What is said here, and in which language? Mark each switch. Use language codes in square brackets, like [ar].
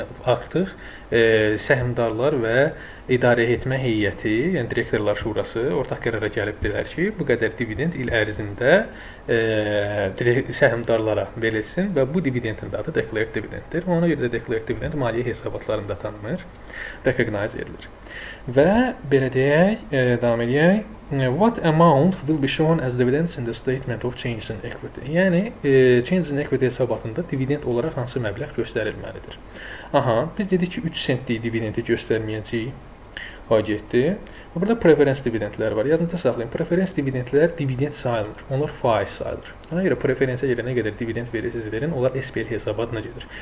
[az] Yəni artıq səhmdarlar və idarə etmə heyəti, yəni direktorlar şurası ortaq qərara gəlibdirlər ki, bu qədər dividend il ərzində səhmdarlara verilsin və bu dividendin də adı declared dividenddir. Ona görə də declared dividend maliyyə hesabatlarında tanınır, recognize edilir. Və belə deyək, davam edək. [en] What amount will be shown as dividends in the statement of change in equity? [az] Yəni, change in equity hesabatında dividend olaraq hansı məbləğ göstərilməlidir? Aha, biz dedik ki, 3 centlik dividendi göstərməyəcəyik. O getdi. Burada preference dividendlər var. Yadında saxlayın, preference dividendlər dividend sayılır. Onlar faiz sayılır. Ona görə preferensiyə görə nə qədər dividend verirsiniz, verin, onlar SPL hesabatına gedir.